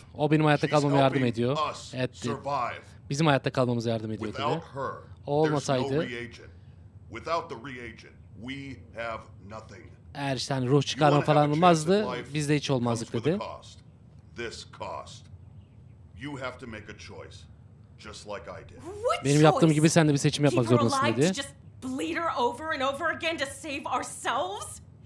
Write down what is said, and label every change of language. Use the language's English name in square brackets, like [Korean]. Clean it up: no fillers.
[Turkish] O benim hayatta kalmama yardım ediyor. Etti. Bizim hayatta kalmamıza yardım ediyor dedi. O olmasaydı. [English] Without the reagent, we have nothing. [Turkish] Eğer işte hani ruh çıkarma falan olmazdı, biz de hiç olmazdık dedi. [English] This cost. You have to make a choice, just like I did. [Turkish] Benim yaptığım gibi sen de bir seçim yapmak zorundasın dedi. [English] Bleed her over and over again to save ourselves.